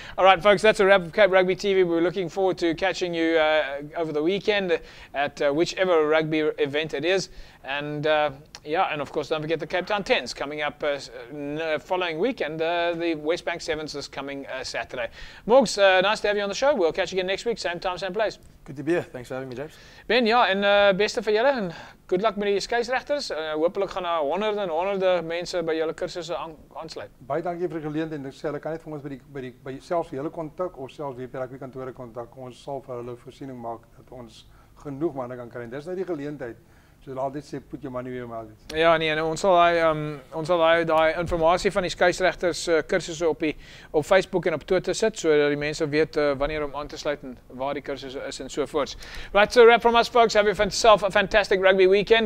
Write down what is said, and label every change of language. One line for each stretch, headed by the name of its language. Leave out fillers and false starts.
English: All right, folks, that's a wrap of Cape Rugby TV. We're looking forward to catching you over the weekend at whichever rugby event it is. And yeah, and of course, don't forget the Cape Town 10s coming up following weekend, the West Bank 7s is coming Saturday. Morgs, nice to have you on the show. We'll catch you again next week, same time, same place. Good to be here. Thanks for having me, James.
Afrikaans: Ben, yeah, and beste vir julle, and good luck met die skeidsregters. Hopelijk gaan daar honderde en honderde mense by julle kursusse aansluit. Baie dankie vir die geleentheid, en ek sê, hulle kan net vir ons by selfs julle kontak, of selfs WP Rugby kantore kontak. Ons sal vir hulle voorsiening maak dat ons genoeg manne kan kry. Dis nou die geleentheid. Sal altyd sê,
English: put your money where your mouth is.
Afrikaans: Ja, nee, en ons sal die informatie van die skeidsregters kursusse op Facebook en op Twitter sit, so dat die mense weet wanneer om aan te sluit en waar die kursusse is en sovoorts.
English: Right, so wrap from us, folks. Have yourself a fantastic rugby weekend.